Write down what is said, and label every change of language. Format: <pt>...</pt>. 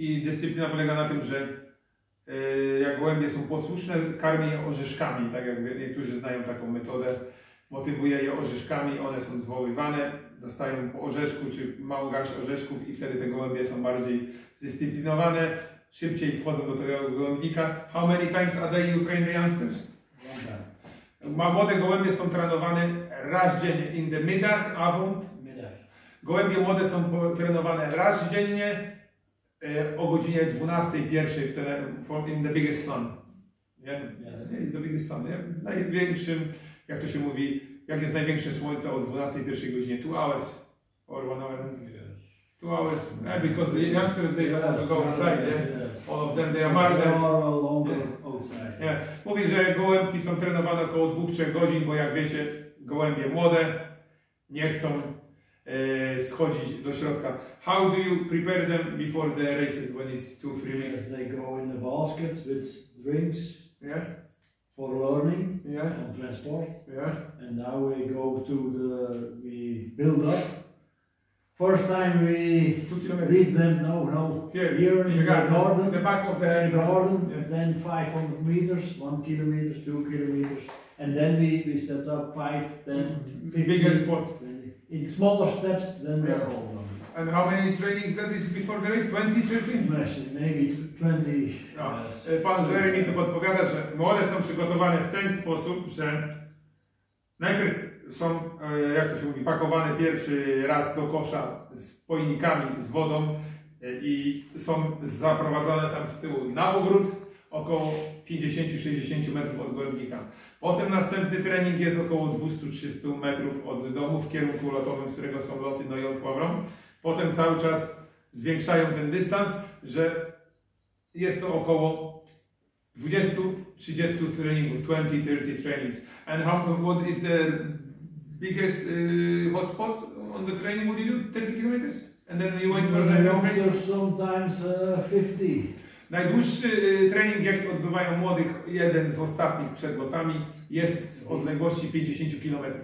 <pl>I dyscyplina polega na tym, że jak gołębie są posłuszne, karmi je orzeszkami. Tak jak niektórzy znają taką metodę, motywuje je orzeszkami, one są zwoływane, dostają po orzeszku czy mały garść orzeszków i wtedy te gołębie są bardziej zdyscyplinowane. Szybciej wchodzą do tego gołębnika.</pl> <en>How many times a day you train the youngsters?</en> <pl>Młode gołębie są trenowane raz dziennie.</pl> <nl>In the middag, avond.</nl> <pl>Gołębie młode są trenowane raz dziennie o godzinie 12, pierwszej w</pl> <en>in the biggest sun. Yeah. Yeah, it's the biggest sun. Yeah.</en> <pl>Największym, jak to się mówi, jak jest największe słońce o 12, pierwszej godzinie.</pl> <en>2 hours. Or 1 hour. Two hours, yeah, because the youngsters they don't have to go outside. Yeah. All of them they are martyrs. They are longer outside. Yeah.</en> <pl>Mówi, że gołębki są trenowane około 2-3 godzin, bo jak wiecie, gołębie młode nie chcą schodzić do środka.</pl> <en>How do you prepare them before the races when it's 2-3 weeks? They go in the basket with drinks. Yeah. For learning. Yeah. And transport. Yeah. And now we go to the we build up. First time we leave them, no, here in the garden, the back of the garden, yeah. Then 500 meters, 1 kilometer, 2 kilometers, and then we set up 5, 10, 15, bigger spots. In smaller steps than yeah. The whole one. And how many trainings that is before the race? 20, 15? Maybe 20. No.</en> <pl>Pan Zwery mi to podpowiada, że młode są przygotowane w ten sposób, że najpierw są, jak to się mówi, pakowane pierwszy raz do kosza z pojnikami, z wodą i są zaprowadzane tam z tyłu na ogród około 50-60 metrów od gołębnika. Potem następny trening jest około 200-300 metrów od domu w kierunku lotowym, z którego są loty do Jodławrą. Potem cały czas zwiększają ten dystans, że jest to około 20-30 treningów, 20-30 trainings.</pl> <en>And what is the biggest hotspot on the training, what do you do? 30 kilometers? And then you wait for the youngsters sometimes 50.</en> <pl>Najdłuższy trening, jaki odbywają młodych, jeden z ostatnich przed lotami, jest z odległości 50 km.</pl>